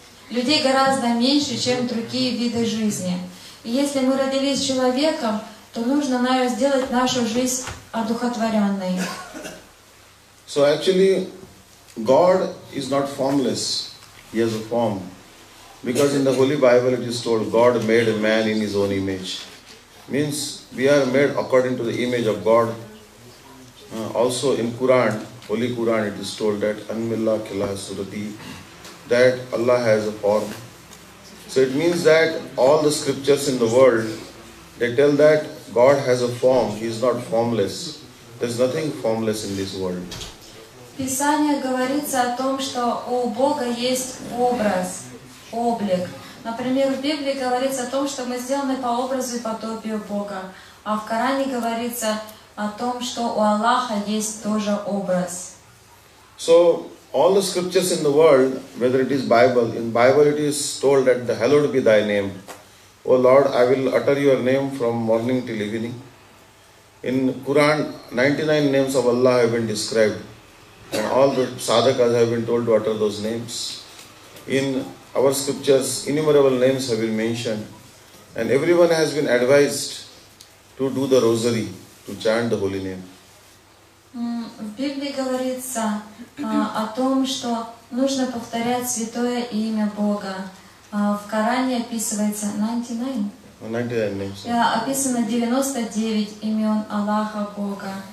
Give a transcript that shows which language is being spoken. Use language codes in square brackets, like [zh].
[ru] Людей гораздо меньше, чем другие виды жизни. И если мы родились человеком, то нужно, наверное, сделать нашу жизнь одухотворенной. [en] So actually, God is not formless. He has a form. Because in the Holy Bible it is told, God made a man in His own image. Means we are made according to the image of God. Also in Quran, Holy Quran, it is told that Anmilla Kilah Surati, that Allah has a form. So it means that all the scriptures in the world, they tell that God has a form, He is not formless. There is nothing formless in this world. [ru] Писание говорится о том, что у Бога есть образ, облик. Например, в Библии говорится о том, что мы сделаны по образу и подобию Бога. А в Коране говорится о том, что у Аллаха есть тоже образ. [en] So, all the scriptures in the world, whether it is Bible, in Bible it is told that the hallowed be thy name. O Lord, I will utter your name from morning till evening. In Quran, 99 names of Allah have been described. And all the sadhakas have been told to utter those names. In our scriptures, innumerable names have been mentioned. And everyone has been advised to do the rosary. To chant the holy name. [ru] В Библии говорится о том, что нужно повторять святое имя Бога. В Коране описывается [en] 99 names. [ru] Описано 99 имен Аллаха Бога.